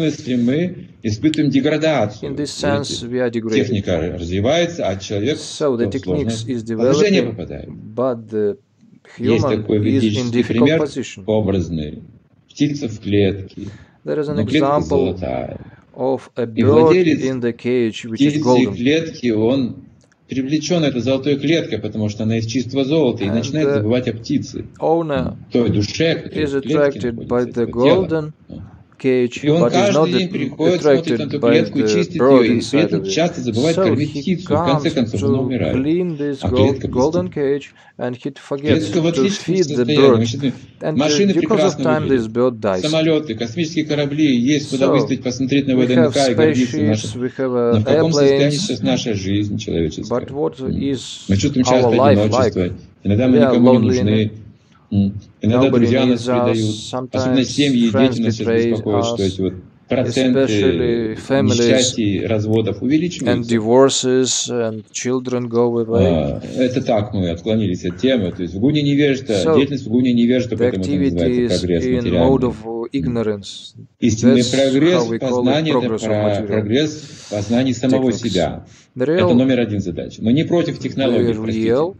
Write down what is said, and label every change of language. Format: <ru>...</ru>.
<en>In this sense, we are degraded. So the technique is developing, but the human is in difficult position. There is an example of a bird in the cage, which is golden.</en> <ru>Привлечен этой золотой клеткой, потому что она из чистого золота, и начинает забывать о птице, той душе, которая в клетке находится, тело. И он каждый день приходит, смотрит на эту клетку и чистит ее, и при этом часто забывает кормить птицу, в конце концов она умирает, а клетка пустит.</ru> <en>And he forgets to feed the bird. And because of time, this bird dies. So, we have spaceships, we have airplanes, but what is our life like? We are lonely in it. Nobody needs us. Sometimes friends betray us. Especially families and divorces and children go away.</en> <ru>Это так, мы отклонились от темы. То есть в гуне невежество, деятельность в гуне невежество, поэтому это называется прогресс материальный.</ru> <en>In mode of ignorance.</en> <ru>Истинный прогресс познания, прогресс познания самого себя. Это номер один задача. Мы не против технологий, простите.</ru>